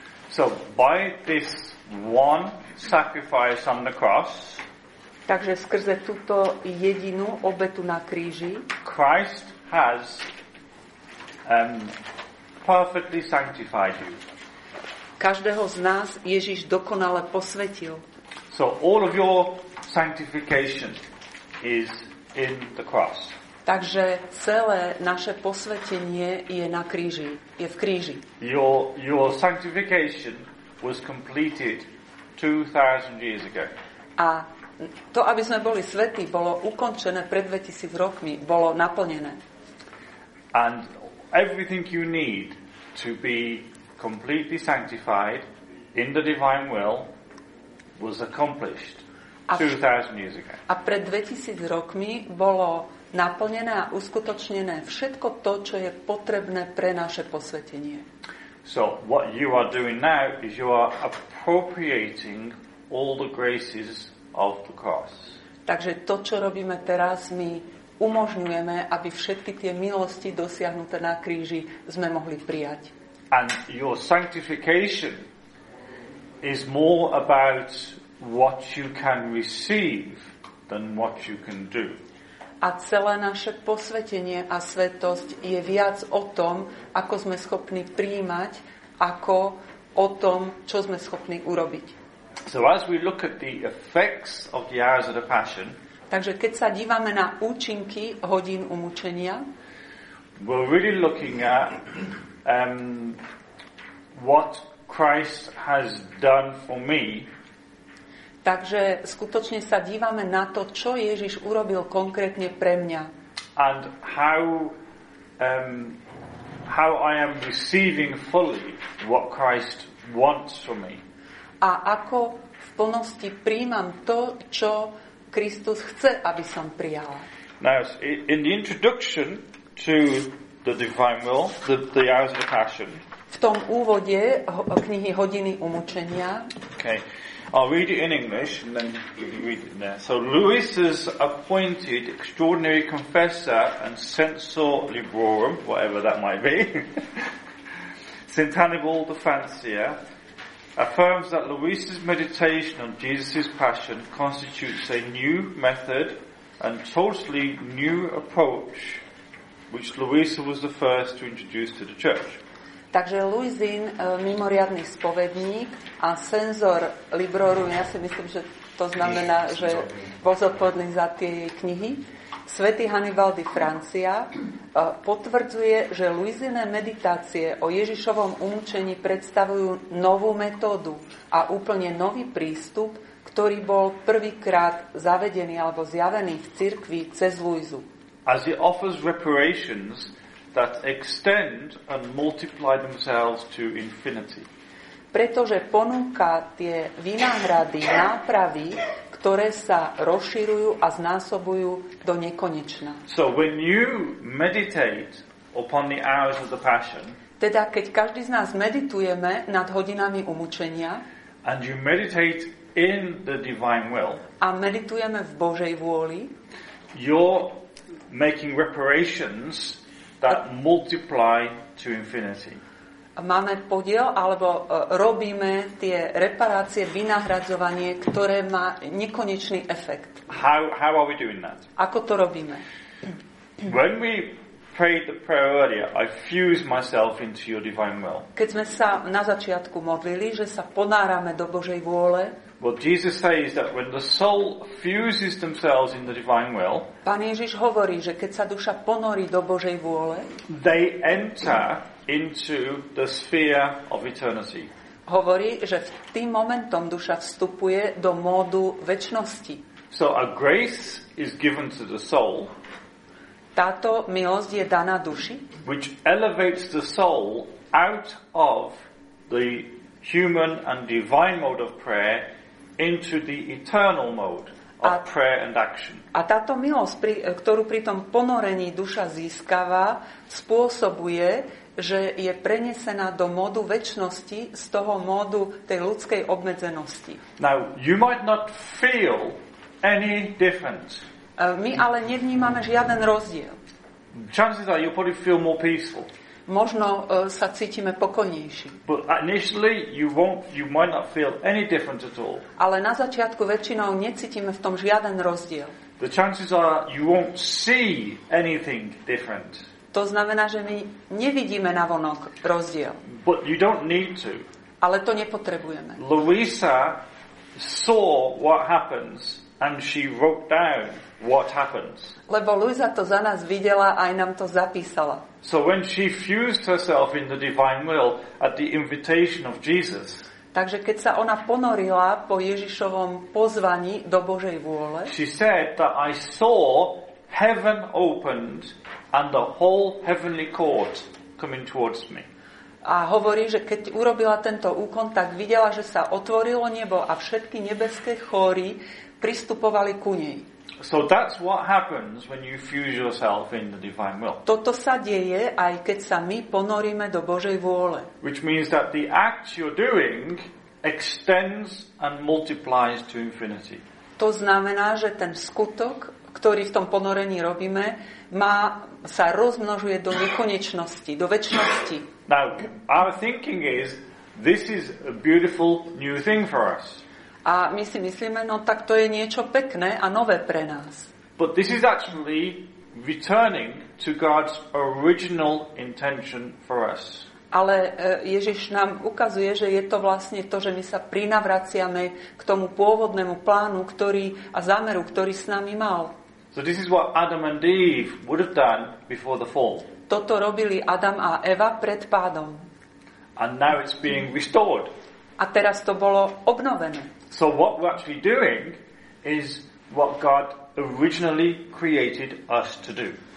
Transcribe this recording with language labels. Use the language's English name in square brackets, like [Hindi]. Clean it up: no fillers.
[English] So by this one sacrifice on the cross. [Slovak] Takže skrze túto jedinú obetu na kríži. [English] Christ has perfectly sanctified you. [Slovak] Každého z nás Ježiš dokonale posvetil. [English] So all of your sanctification is in the cross. [Slovak] Takže celé naše posvetenie je na kríži, je v kríži. [English] Your sanctification was completed 2000 years ago. [Slovak] A to, aby sme boli svätí, bolo ukončené pred 2000 rokmi, bolo naplnené. [English] And everything you need to be completely sanctified in the divine will was accomplished 2000 years ago. [Slovak] A pred 2000 rokmi bolo naplnené a uskutočnené všetko to, čo je potrebné pre naše posvetenie. [English] So what you are doing now is you are appropriating all the graces of the cross. [Slovak] Takže to, čo robíme teraz, my umožňujeme, aby všetky tie milosti dosiahnuté na kríži sme mohli prijať. [English] And your sanctification is more about what you can receive than what you can do. [Slovak] A celé naše posvetenie a svetosť je viac o tom, ako sme schopní prijímať, ako o tom, čo sme schopní urobiť. [English] So as we look at the effects of the hours of the passion, [Slovak] takže keď sa dívame na účinky hodín umučenia, [English] we're really looking at what Christ has done for me. [Slovak] Takže skutočne sa dívame na to, čo Ježiš urobil konkrétne pre mňa. [English] And how I am receiving fully what Christ wants for me. [Slovak] A ako v plnosti prijímam to, čo Kristus chce, aby som prijala. [English] Now, in the introduction to the divine will, the hours of the passion. [Slovak] V tom úvode knihy Hodiny umučenia. [English] Okay. I'll read it in English and then you read it there. So Luisa's appointed extraordinary confessor and censor librorum, whatever that might be, St. Hannibal de Francia, affirms that Luisa's meditation on Jesus' passion constitutes a new method and totally new approach, which Luisa was the first to introduce to the church. [Slovak] Takže Luisin, mimoriadny spovedník a senzor librorum, ja si myslím, že to znamená, že bol zodpovedný za tie jej knihy, Svätý Hannibal de Francia potvrdzuje, že Luisine meditácie o Ježišovom umučení predstavujú novú metódu a úplne nový prístup, ktorý bol prvýkrát zavedený alebo zjavený v cirkvi cez Luisu. [English] As he offers reparations that extend and multiply themselves to infinity. [Slovak] Pretože ponúka tie výnahrady, nápravy, ktoré sa rozširujú a znásobujú do nekonečna. [English] So when you meditate upon the hours of the passion, [Slovak] teda keď každý z nás meditujeme nad hodinami umučenia, [English] and you meditate in the divine will, [Slovak] a meditujeme v Božej vôli, [English] you're making reparations that multiply to infinity. [Slovak] Máme podiel, alebo robíme tie reparácie, vynahradzovanie, ktoré má nekonečný efekt. [English] How are we doing that? [Slovak] Ako to robíme? [English] When we prayed the prayer earlier, I fuse myself into your divine will. [Slovak] Keď sme sa na začiatku modlili, že sa ponárame do Božej vôle. [English] Well, Jesus says that when the soul fuses themselves in the divine will, [Slovak] Pán Ježiš hovorí, že keď sa duša ponorí do Božej vôle, [English] they enter into the sphere of eternity. [Slovak] Hovorí, že v tým momentom duša vstupuje do módu večnosti. [English] So a grace is given to the soul. [Slovak] Táto milosť je daná duši, [English] which elevates the soul out of the human and divine mode of prayer into the eternal mode of prayer and action. [Slovak] A táto milosť, ktorú pri tom ponorení duša získava, spôsobuje, že je prenesená do módu večnosti z toho módu tej ľudskej obmedzenosti. [English] Now, you might not feel any difference. [Slovak] My ale nevnímame žiaden rozdiel. [English] Chances are you'll probably feel more peaceful. [Slovak] Možno sa cítime pokojnejší. [English] But initially you might not feel any difference at all. [Slovak] Ale na začiatku väčšinou necítime v tom žiaden rozdiel. [English] The chances are you won't see anything different. [Slovak] To znamená, že my nevidíme navonok rozdiel. [English] But you don't need to. [Slovak] Ale to nepotrebujeme. [English] Louisa saw what happens and she wrote down what happens. [Slovak] Lebo Louisa to za nás videla a aj nám to zapísala. [English] So when she fused herself in the divine will at the invitation of Jesus. [Slovak] Takže keď sa ona ponorila po Ježišovom pozvaní do Božej vôle. [English] She said that I saw heaven opened and the whole heavenly court coming towards me. [Slovak] A hovorí, že keď urobila tento úkon, tak videla, že sa otvorilo nebo a všetky nebeské chóry pristupovali ku nej. [English] So that's what happens when you fuse yourself in the divine will. [Slovak] Toto sa deje aj keď sa my ponoríme do Božej vôle. [English] Which means that the act you're doing extends and multiplies to infinity. [Slovak] To znamená, že ten skutok, ktorý v tom ponorení robíme, má sa rozmnožuje do nekonečnosti, do večnosti. [English] Now, our thinking is this is a beautiful new thing for us. [Slovak] A my si myslíme, no tak to je niečo pekné a nové pre nás. [English] But this is actually returning to God's original intention for us. [Slovak] Ale Ježiš nám ukazuje, že je to vlastne to, že my sa prinavraciame k tomu pôvodnému plánu, ktorý a zámeru, ktorý s nami mal. [English] So this is what Adam and Eve would have done before the fall. [Slovak] Toto robili Adam a Eva pred pádom. [English] And now it's being restored. [Slovak] A teraz to bolo obnovené. [English] So what we're actually doing is what God originally created us to do.